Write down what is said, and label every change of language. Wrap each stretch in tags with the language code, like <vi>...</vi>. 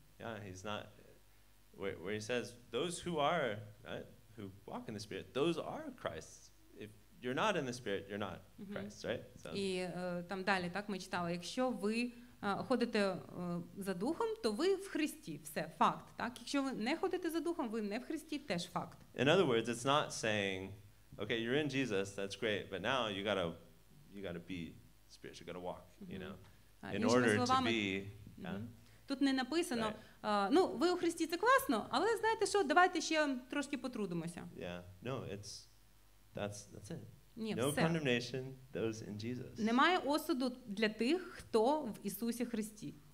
<en>Yeah, he's not where he says those who are, right, who walk in the Spirit, those are Christ's. You're not in the Spirit, you're not Christ, right? So.</en> <uk>І там далі, так, ми читали, якщо ви ходите за Духом, то ви в Христі, все, факт, так? Якщо ви не ходите за Духом, ви не в Христі, теж факт.</uk> <en>In other words, it's not saying, okay, you're in Jesus, that's great, but now you gotta be spiritual, you gotta walk, you know, in order</en> <uk>словами,</uk> <en>to be,</en> <uk>Тут не написано, ну, ви у Христі, це класно, але знаєте що, давайте ще трошки потрудимося.</uk> <en>Yeah, no, it's That's it. No condemnation, those in Jesus.</en> <uk>Немає осуду для тих, хто в Ісусі Христі.</uk>